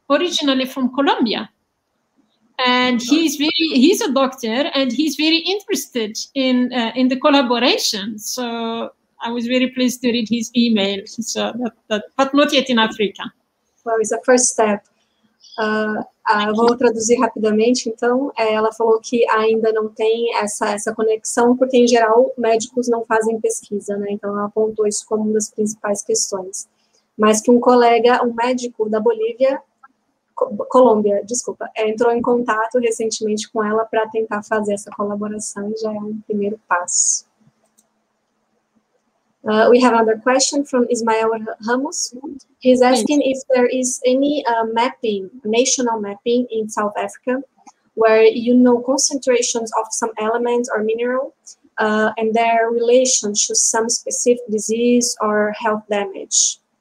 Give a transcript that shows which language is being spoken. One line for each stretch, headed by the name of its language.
English: Originally from Colombia. And he's a doctor, and he's very interested in the collaboration. So I was very pleased to read his email, but not yet in Africa. Well, it's a first step.
Portuguese: Vou traduzir rapidamente, então. Ela falou que ainda não tem essa conexão, porque, em geral, médicos não fazem pesquisa, né? Então, ela apontou isso como uma das principais questões. Mas que um médico da Bolívia, Colômbia, desculpa, entrou em contato recentemente com ela para tentar fazer essa colaboração e já é um primeiro passo.
English: We have another question from Ismael Ramos. He's asking if there is any mapping, national mapping in South Africa, where you know concentrations of some elements or mineral and their relation to some specific disease or health damage.